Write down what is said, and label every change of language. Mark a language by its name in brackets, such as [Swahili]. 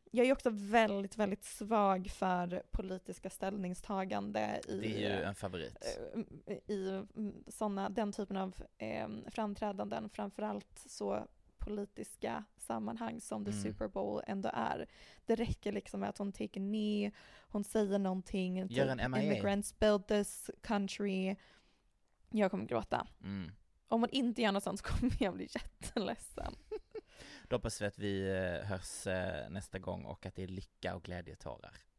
[Swedish] Jag är också väldigt, väldigt svag för politiska ställningstagande i, det är ju en favorit. I såna, den typen av framträdanden, framförallt så politiska sammanhang som The Super Bowl ändå är. Det räcker liksom med att hon tar ner, hon säger någonting, gör en MIA. [English] Immigrants built this country. [Swedish] Jag kommer gråta. Om hon inte gör något sånt så kommer jag bli jätteledsen. Då hoppas vi att vi hörs nästa gång och att det är lycka och glädjetårar.